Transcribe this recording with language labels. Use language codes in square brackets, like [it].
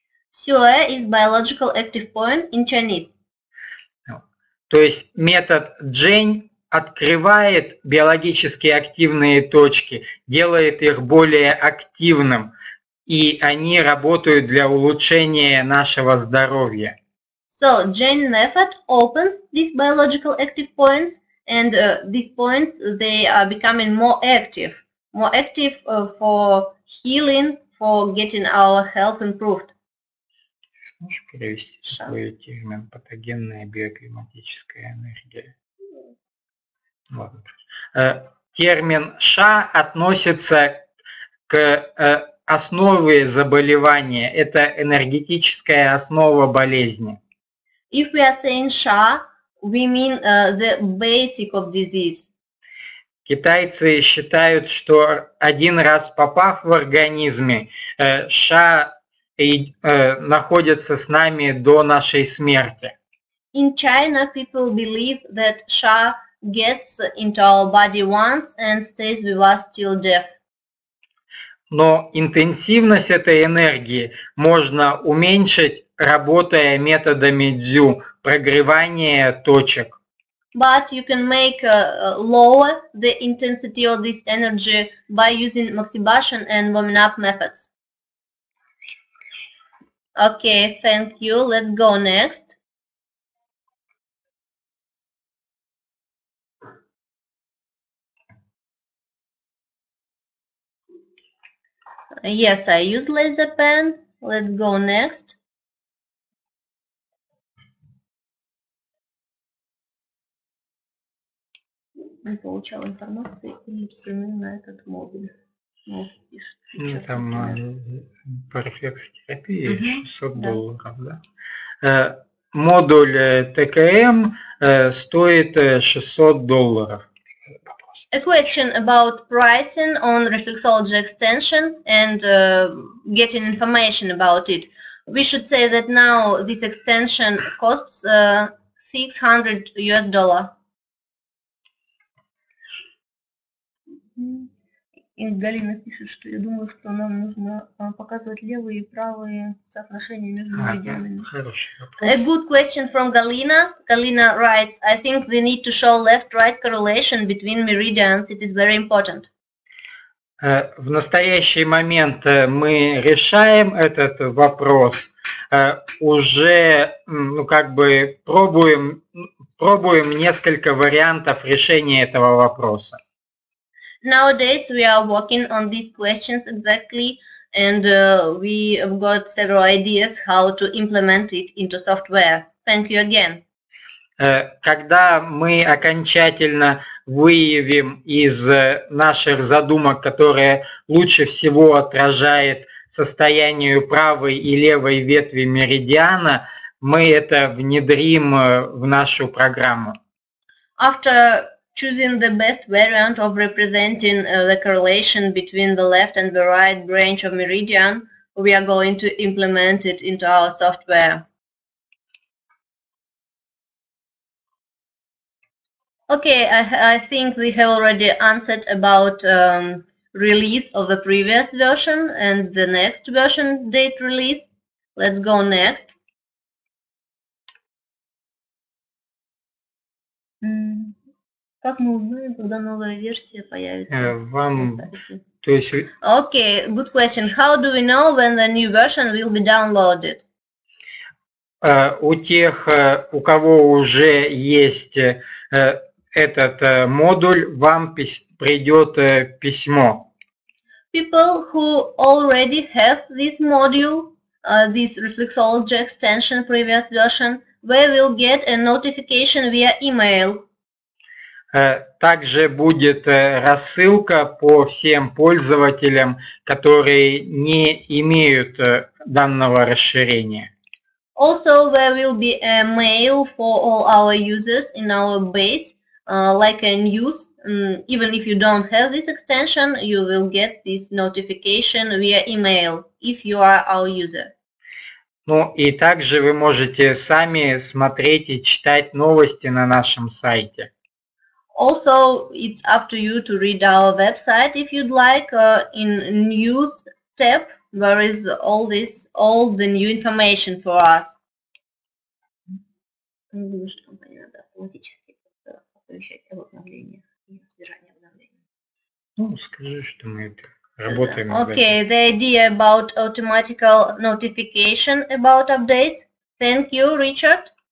[en] Сюэ – is biological active point in Chinese. [ru] То есть метод Джень открывает биологически активные точки, делает их более активным, и они работают для улучшения нашего здоровья. [en] So, Jane method opens these biological active points, and these points, they are becoming more active for healing, for getting our health improved. [ru] Можешь перевести свой термин «патогенная биоклиматическая энергия»? Термин «ша» относится к основе заболевания. Это энергетическая основа болезни. [en] If we are saying «ша», we mean the basic of disease. [ru] Китайцы считают, что один раз попав в организме, «ша» находится с нами до нашей смерти. [en] In China, people believe that «ша» gets into our body once and stays with us till death. [ru] Но интенсивность этой энергии можно уменьшить, работая методами дзю, прогревания точек. [en] But you can make lower the intensity of this energy by using maxibashan and warming up methods. Okay, thank you. Let's go next. Yes, I use laser pen. Let's go next. [ru] Не получал информации или цены на этот модуль. Ну, там префикс терапии 600 долларов, да? Модуль ТКМ стоит 600 долларов. [en] A question about pricing on reflexology extension and getting information about it. We should say that now this extension costs $600. [ru] И Галина пишет, что я думаю, что нам нужно показывать левые и правые соотношения между меридианами. Хороший вопрос. [en] A good question from Galina. Galina writes, I think we need to show left-right correlation between meridians. It is very important. [ru] В настоящий момент мы решаем этот вопрос. Уже, ну, как бы пробуем несколько вариантов решения этого вопроса. [en] Nowadays we are working on these questions exactly, and we have got several ideas how to implement it into software. Thank you again. [ru] Когда мы окончательно выявим из наших задумок, которая лучше всего отражает состояние правой и левой ветви меридиана, мы это внедрим в нашу программу. [en] After choosing the best variant of representing the correlation between the left and the right branch of meridian, we are going to implement it into our software. Okay, I think we have already answered about release of the previous version and the next version date release. Let's go next. [ru] Как мы узнаем, когда новая версия появится? Вам, то есть. [en] Okay, good question. How do we know when the new version will be downloaded? [ru] У тех, у кого уже есть этот модуль, вам придет письмо. [en] People who already have this module, this reflexology extension previous version, they will get a notification via email. [ru] Также будет рассылка по всем пользователям, которые не имеют данного расширения. [en] Also, there will be a mail for all our users in our base, like a news. Even if you don't have this extension, you will get this notification via email, if you are our user. [ru] Ну и также вы можете сами смотреть и читать новости на нашем сайте. [en] Also, it's up to you to read our website if you'd like, in news tab, where is all the new information for us. [ru] Немножко компания надо автоматически оповещать об обновлениях и собирании обновлений. Ну, скажи, что мы это работаем над [en] Okay, the idea about automatical notification about updates. Thank you, Richard.